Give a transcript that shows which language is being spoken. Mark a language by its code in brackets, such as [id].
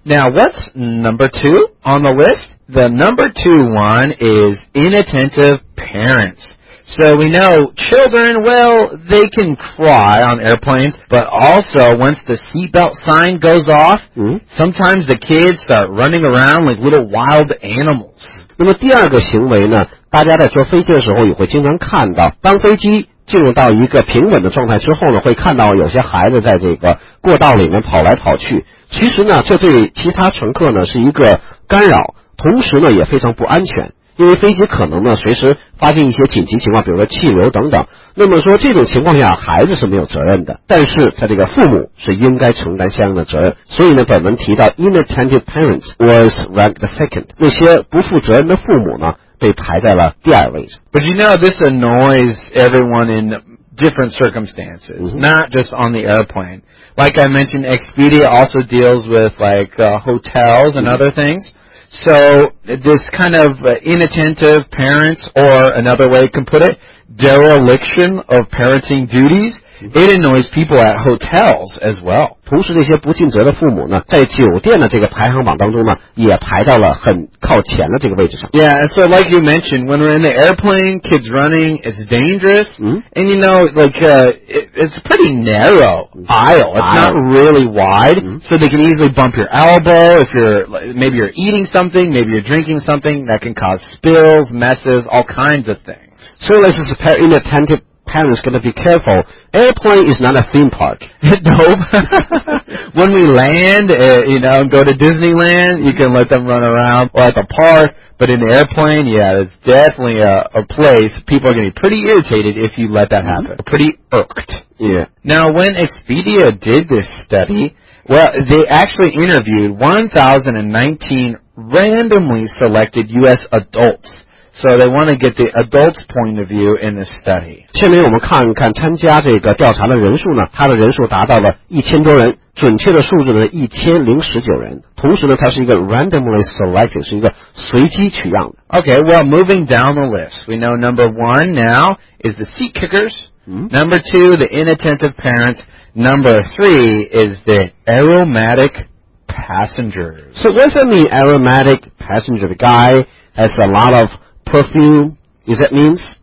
[en] Now, what's number two on the list? The number two one is inattentive parents. So we know children, well, they can cry on airplanes, but also once the seatbelt sign goes off, sometimes the kids start running around like little wild animals. [zh] 那么第二个行为呢，大家在坐飞机的时候也会经常看到，当飞机进入到一个平稳的状态之后呢，会看到有些孩子在这个过道里面跑来跑去。其实呢，这对其他乘客呢是一个干扰，同时呢也非常不安全。因为飞机可能呢随时发生一些紧急情况，比如说气流等等，那么说这种情况下孩子是没有责任的，但是他这个父母是应该承担相应的责任。所以呢本文提到 [en] inattentive parents was ranked second， [zh] 那些不负责任的父母呢被排在了第二位置。 [en] But you know this annoys everyone in different circumstances、 mm-hmm. not just on the airplane. Like I mentioned, Expedia also deals with like hotels and other thingsSo, this kind of inattentive parents, or another way you can put it, dereliction of parenting duties, it annoys people at hotels as well. [zh] 同时那些不尽责的父母呢，在酒店的这个排行榜当中呢，也排到了很靠前的这个位置上。 [en] Yeah, so like you mentioned, when we're in the airplane, kids running, it's dangerous. Mm-hmm. And you know, like, it's a pretty narrow aisle. It's not really wide, so they can easily bump your elbow if you're, like, maybe you're eating something, maybe you're drinking something that can cause spills, messes, all kinds of things. So this is inattentive parents going to be careful. Airplane is not a theme park. Nope. When we land, you know, and go to Disneyland, you can let them run around or at the park. But in the airplane, yeah, it's definitely a place. People are going to be pretty irritated if you let that happen. Mm-hmm. Pretty irked. Yeah. Now, when Expedia did this study, well, they actually interviewed 1,019 randomly selected U.S. adults. So they want to get the adult's point of view in this study. [zh] 下面我们看看参加这个调查的人数呢，他的人数达到了1000多人，准确的数字呢1019人。同时呢，它是一个 [en] randomly selected， [zh] 是一个随机取样的。 [en] Okay, well, moving down the list, we know number one now is the seat kickers.、 Mm-hmm. Number two, the inattentive parents. Number three is the aromatic passengers. So wasn't the aromatic passenger the guy has a lot of perfume, is that means?